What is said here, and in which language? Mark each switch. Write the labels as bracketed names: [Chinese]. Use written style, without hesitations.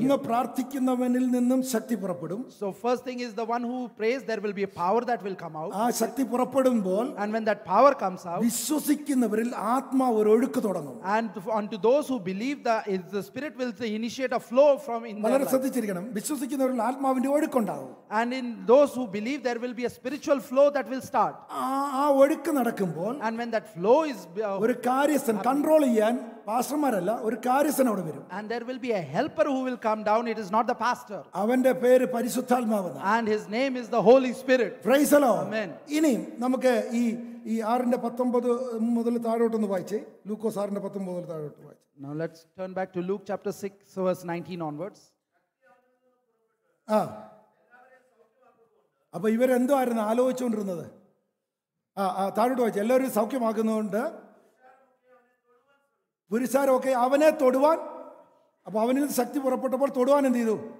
[Malayalam] ഒന്ന്, പ്രാർത്ഥിക്കുന്നവനിൽ നിന്നും ശക്തി പുറപ്പെടും. [English] So first thing is, the one who prays, there will be a power that will come out. [Malayalam] ആ ശക്തി പുറപ്പെടുമ്പോൾ, [English] and when that power comes out, [Malayalam] വിശ്വസിക്കുന്നവരിൽ ആത്മാവ് ഒരു ഒഴുക്ക് തുടങ്ങും. [English] And unto those who believe, the spirit will initiate a flow from in them. [Malayalam] വളരെ ശ്രദ്ധിച്ചിരിക്കണം, വിശ്വസിക്കുന്നവരിൽ ആത്മാവിന്റെ ഒഴുക്ക് ഉണ്ടാകും. [English] And in those who believe, there will be a spiritual flow that will start. [Malayalam] ആ ഒഴുക്ക് നടക്കുമ്പോൾ, [English] and when that flow is, [Malayalam] ഒരു കാര്യസ്ഥൻ control ചെയ്യാൻ, പാസ്റ്റർമാരല്ല, ഒരു കാര്യസ്ഥൻ. [English] And there will be a helper who will come down. It is not the pastor. [Malayalam] അവന്റെ പേര് പരിശുദ്ധാത്മാവാണ്. [English] And his name is the Holy Spirit. Praise the Lord. Amen. [Malayalam] ഇനി നമുക്ക് ഈ 6-ന്റെ 19 മുതൽ താഴോട്ട് ഒന്ന് വായിച്ചേ. ലൂക്കോസ് 6-ന്റെ 19 മുതൽ താഴോട്ട് വായിച്ചേ. [English] Now let's turn back to Luke chapter 6 verse 19 onwards. [Malayalam] അപ്പൊ ഇവർ എന്തായിരുന്നു ആലോചിച്ചുകൊണ്ടിരുന്നത്? താഴോട്ട് വായിച്ചേ. എല്ലാവരും സൗഖ്യമാക്കുന്നതുകൊണ്ട് പുരുഷാരമൊക്കെ അവനെ തൊടുവാൻ, അപ്പൊ അവനിൽ ശക്തി പുറപ്പെട്ടപ്പോൾ തൊടുവാൻ എന്ത് ചെയ്തു?